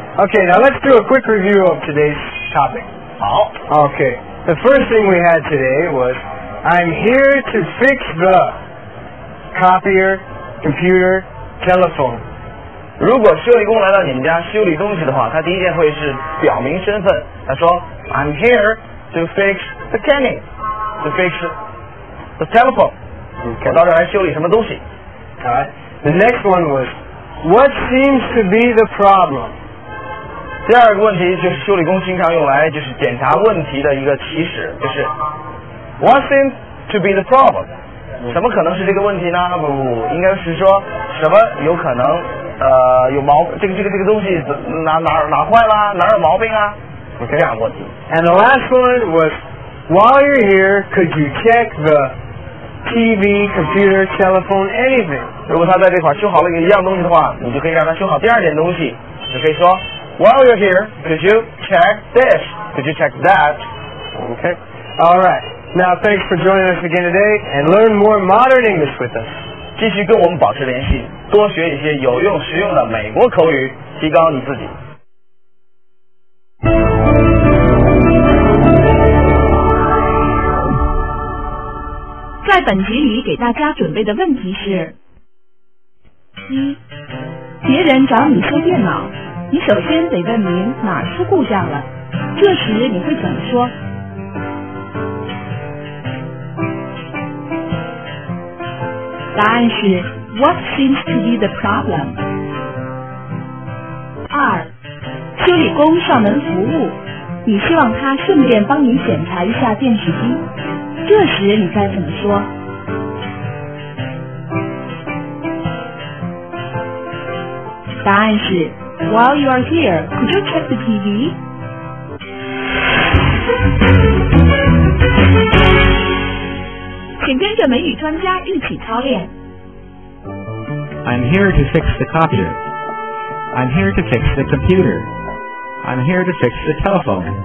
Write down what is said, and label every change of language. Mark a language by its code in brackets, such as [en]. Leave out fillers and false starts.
[en] Okay, now let's do a quick review of today's topic. [zh] 好、oh. [en] Okay, the first thing we had today was, I'm here to fix the copier, computer, telephone. [zh] 如果修理工来到你们家修理东西的话，他第一件会是表明身份，他说 [en] I'm here to fix the cannon, to fix the telephone. Okay. [zh] 我到这儿来修理什么东西。 [en] All right. The next one was, what seems to be the problem? [zh] 第二个问题就是修理工经常用来就是检查问题的一个起始，就是 [en] what seems to be the problem? [zh] 什么可能是这个问题呢？不，应该是说什么有可能有毛这个东西哪坏了，哪有毛病啊？ [en] Okay. And the last one was, while you're here, could you check the TV, computer, telephone, anything. [zh] 如果他在这块修好了一样东西的话，你就可以让他修好第二点东西。你可以说 [en] While you're here, could you check this? Could you check that? Okay. All right. Now, thanks for joining us again today and learn more modern English with us. [zh] 继续跟我们保持联系，多学一些有用实用的美国口语，提高你自己。在本集里给大家准备的问题是：一，别人找你修电脑，你首先得问明哪儿出故障了，这时你会怎么说？答案是 [en] What seems to be the problem? [zh] 二，修理工上门服务，你希望他顺便帮你检查一下电视机，这时你该怎么说？答案是 [en] While you are here, could you check the TV? [zh] 请跟着美语专家一起操练。 [en] I'm here to fix the copier. I'm here to fix the computer. I'm here to fix the telephone.